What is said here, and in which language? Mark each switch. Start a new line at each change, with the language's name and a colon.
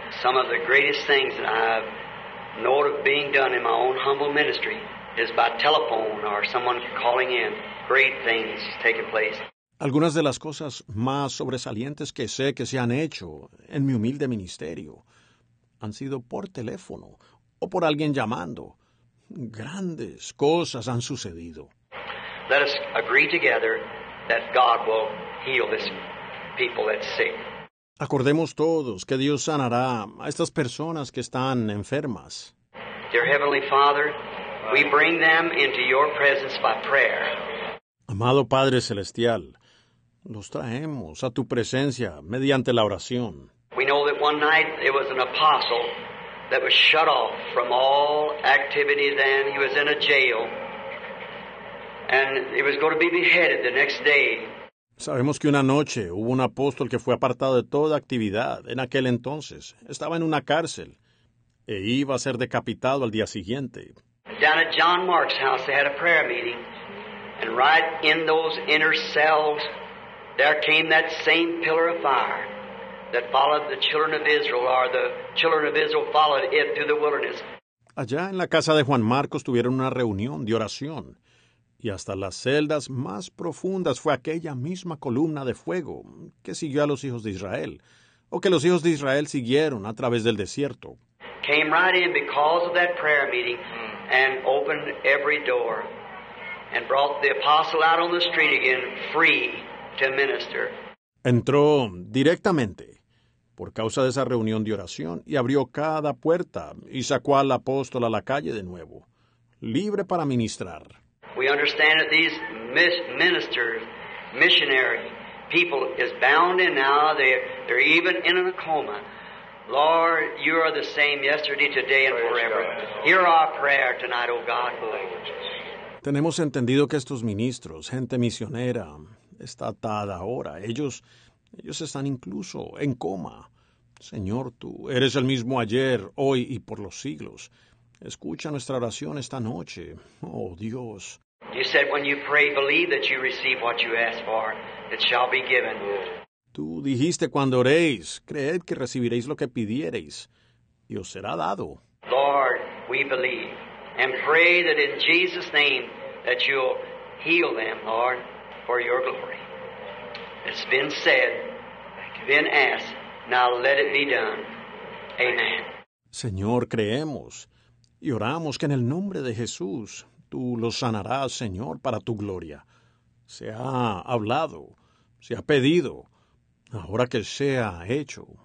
English: Some of the greatest things that I've known of being done in my own humble ministry is by telephone or someone calling in. Great things taking place.
Spanish: Algunas de las cosas más sobresalientes que sé que se han hecho en mi humilde ministerio han sido por teléfono o por alguien llamando. Grandes cosas han sucedido.
English: Let us agree together that God will heal this people that's sick.
Spanish: Acordemos todos que Dios sanará a estas personas que están enfermas.
English: Dear Heavenly Father, we bring them into your presence by prayer.
Spanish: Amado Padre Celestial, los traemos a tu presencia mediante la oración.
English: We know that one night it was an apostle that was shut off from all activity then. He was in a jail. And he was going to be beheaded the next day.
Spanish: Sabemos que una noche hubo un apóstol que fue apartado de toda actividad en aquel entonces. Estaba en una cárcel e iba a ser decapitado al día siguiente.
English: Down at John Mark's house they had a prayer meeting. And right in those inner cells, there came that same pillar of fire that followed the children of Israel, or the children of Israel followed it through the wilderness.
Spanish: Allá en la casa de Juan Marcos tuvieron una reunión de oración, y hasta las celdas más profundas fue aquella misma columna de fuego que siguió a los hijos de Israel, o que los hijos de Israel siguieron a través del desierto.
English: Came right in because of that prayer meeting and opened every door. And brought the apostle out on the street again, free to minister.
Spanish: Entró directamente por causa de esa reunión de oración y abrió cada puerta y sacó al apóstol a la calle de nuevo, libre para ministrar.
English: We understand that these ministers, missionary people, is bound in now. They're even in a coma. Lord, you are the same yesterday, today, and forever. Hear our prayer tonight, O God.
Spanish: Tenemos entendido que estos ministros, gente misionera, está atada ahora. Ellos están incluso en coma. Señor, tú eres el mismo ayer, hoy y por los siglos. Escucha nuestra oración esta noche, oh Dios.
English: You said when you pray, believe that you receive what you ask for. It shall be given.
Spanish: Tú dijiste cuando oréis, creed que recibiréis lo que pidiereis, y os será dado.
English: Lord, we believe. And pray that in Jesus' name that you'll heal them, Lord, for your glory. It's been said, been asked, now let it be done. Amen.
Spanish: Señor, creemos y oramos que en el nombre de Jesús tú los sanarás, Señor, para tu gloria. Se ha hablado, se ha pedido, ahora que sea hecho.